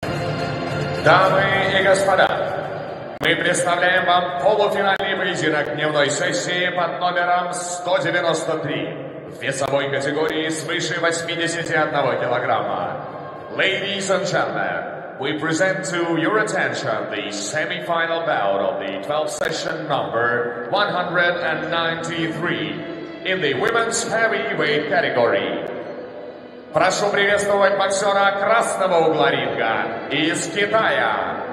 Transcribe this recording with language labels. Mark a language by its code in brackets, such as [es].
[ru] Дамы и господа, мы представляем вам полуфинальный поединок дневной сессии под номером 193 в весовой категории свыше 81 килограмма. [en] Ladies and gentlemen, we present to your attention the semi-final bout of the 12th session number 193 in the women's heavyweight category. [ru] Прошу приветствовать боксера красного угла ринга из Китая.